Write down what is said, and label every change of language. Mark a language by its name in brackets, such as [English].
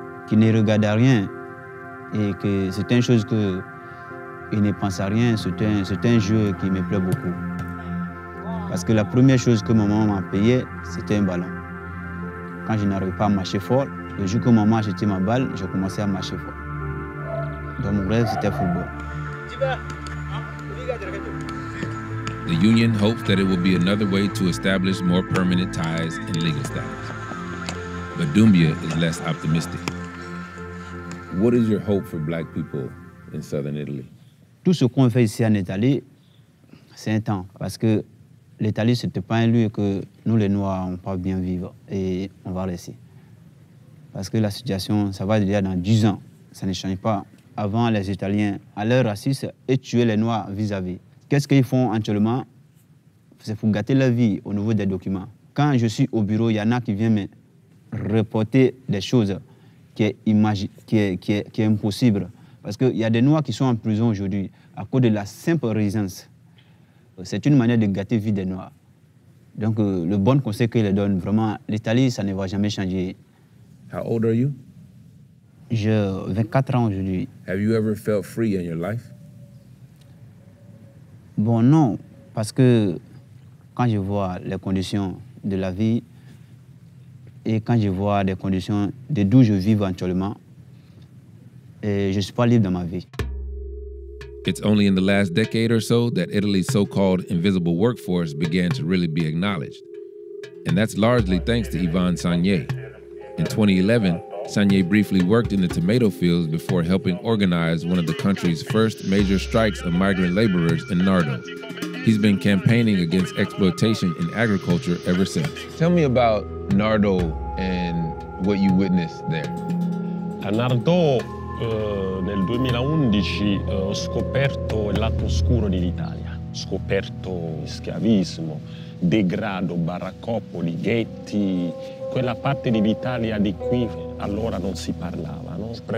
[French] qui ne regarde à rien et que c'est une chose que il ne pense à rien, c'est un jeu qui me plaît beaucoup. Parce que la première chose que maman m'a payée, c'était un ballon. Quand je n'arrivais pas à marcher fort, le jour que maman achetait ma balle, je commençais à marcher fort. Donc mon rêve, c'était football. [English] The union hopes that it will be another way to establish more permanent ties and legal status. But Dumbia is less optimistic. What is your hope for black people in southern Italy? [French] Tout ce qu'on fait ici en Italie, c'est un temps. Parce que l'Italie, ce n'était pas un lieu que nous, les Noirs, on peut bien vivre et on va rester. Parce que la situation, ça va durer dans 10 ans. Ça ne change pas. Avant, les Italiens allaient racistes et tuer les Noirs vis-à-vis. Qu'est-ce qu'ils font actuellement? C'est pour gâter la vie au niveau des documents. Quand je suis au bureau, il y en a qui viennent me reporter des choses qui est impossible. Parce qu'il y a des Noirs qui sont en prison aujourd'hui à cause de la simple résidence. C'est une manière de gâter la vie des Noirs. Donc le bon conseil qu'ils leur donnent, vraiment, l'Italie, ça ne va jamais changer. [English] How old are you? [French] J'ai 24 ans aujourd'hui. [English] Have you ever felt free in your life? [French] Bon, non, parce que quand je vois les conditions de la vie et quand je vois les conditions de d'où je vis actuellement, je ne suis pas libre dans ma vie. [English] It's only in the last decade or so that Italy's so-called invisible workforce began to really be acknowledged. And that's largely thanks to Yvonne Sagnier. In 2011, Sagnier briefly worked in the tomato fields before helping organize one of the country's first major strikes of migrant laborers in Nardo. He's been campaigning against exploitation in agriculture ever since. Tell me about Nardo and what you witnessed there. [Italian] A Nardo, nel 2011, ho scoperto il lato oscuro dell'Italia. Ho scoperto schiavismo, degrado, baraccopoli, ghetti. Quella parte dell'Italia di qui allora non si parlava, no?